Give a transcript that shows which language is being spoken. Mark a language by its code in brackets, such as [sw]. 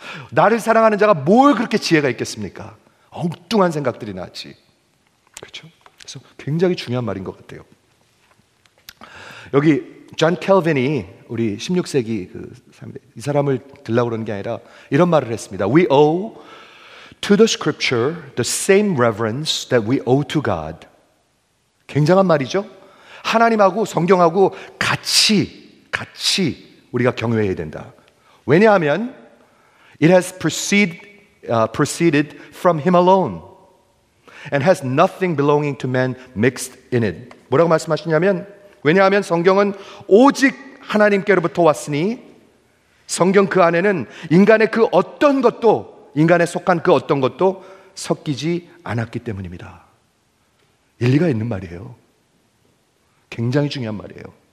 [ko] 나를 사랑하는 자가 뭘 그렇게 지혜가 있겠습니까? 엉뚱한 생각들이 나지. 그렇죠? 그래서 굉장히 중요한 말인 것 같아요. 여기 존 켈빈이 우리 16세기 그 이 사람을 들라고 그러는 게 아니라 이런 말을 했습니다. [en] We owe to the scripture the same reverence that we owe to God. [ko] 굉장한 말이죠? 하나님하고 성경하고 같이 우리가 경외해야 된다. 왜냐하면 [en] it has proceeded from him alone and has nothing belonging to man mixed in it. [ko] 뭐라고 말씀하시냐면 왜냐하면 성경은 오직 하나님께로부터 왔으니 성경 그 안에는 인간의 그 어떤 것도 인간에 속한 그 어떤 것도 섞이지 않았기 때문입니다. 일리가 있는 말이에요. 굉장히 중요한 말이에요.